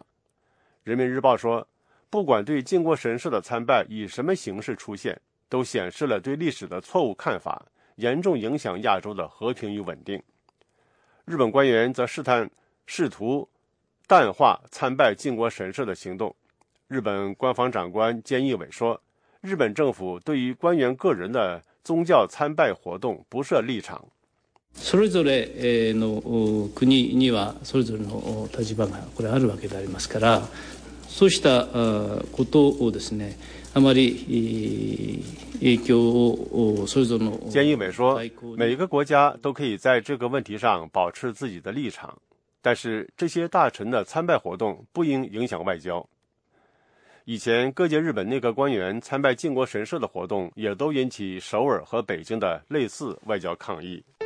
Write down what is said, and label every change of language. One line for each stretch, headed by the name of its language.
Chinese: 《人民日报》说，不管对靖国神社的参拜以什么形式出现，都显示了对历史的错误看法，严重影响亚洲的和平与稳定。日本官员则试图淡化参拜靖国神社的行动。日本官房长官菅义伟说，日本政府对于官员个人的宗教参拜活动不设立场。
Japanese: それぞれの国にはそれぞれの立場がこれあるわけでありますから、そうしたことをですね、あまり影響をそれぞれの。
Chinese: 菅义伟说，每一个国家都可以在这个问题上保持自己的立场，但是这些大臣的参拜活动不应影响外交。以前各界日本内阁官员参拜靖国神社的活动也都引起首尔和北京的类似外交抗议。